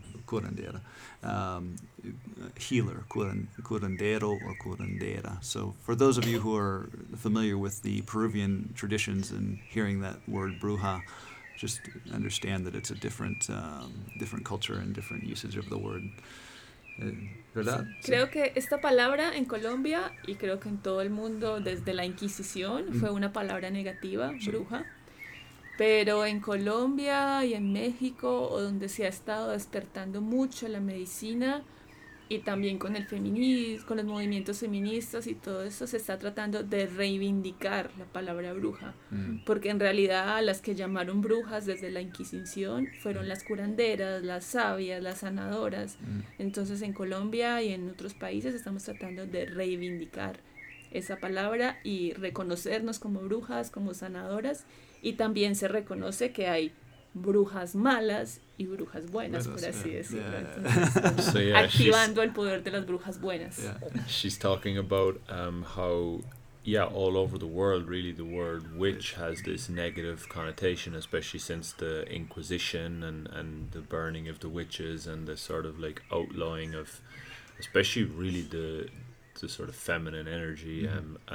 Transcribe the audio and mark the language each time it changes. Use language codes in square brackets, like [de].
[en] curandera, healer, curandero or curandera. So for those of you who are familiar with the Peruvian traditions and hearing that word bruja, just understand that it's a different different culture and different usage of the word. [es] ¿Verdad? Sí. Creo que esta palabra en Colombia y creo que en todo el mundo desde la Inquisición fue una palabra negativa, bruja. Pero en Colombia y en México, o donde se ha estado despertando mucho la medicina y también con el feminismo, con los movimientos feministas y todo eso, se está tratando de reivindicar la palabra bruja. Mm. Porque en realidad las que llamaron brujas desde la Inquisición fueron las curanderas, las sabias, las sanadoras. Mm. Entonces en Colombia y en otros países estamos tratando de reivindicar esa palabra y reconocernos como brujas, como sanadoras. Y también se reconoce que hay brujas malas y brujas buenas, por así decirlo. [en] Yeah. [es] Entonces, [en] so, yeah, [es] activando el poder de las brujas buenas. [en] Yeah. She's talking about how, yeah, all over the world, really the word witch has this negative connotation, especially since the Inquisition and the burning of the witches and the sort of like outlawing of, especially really the sort of feminine energy. Mm-hmm.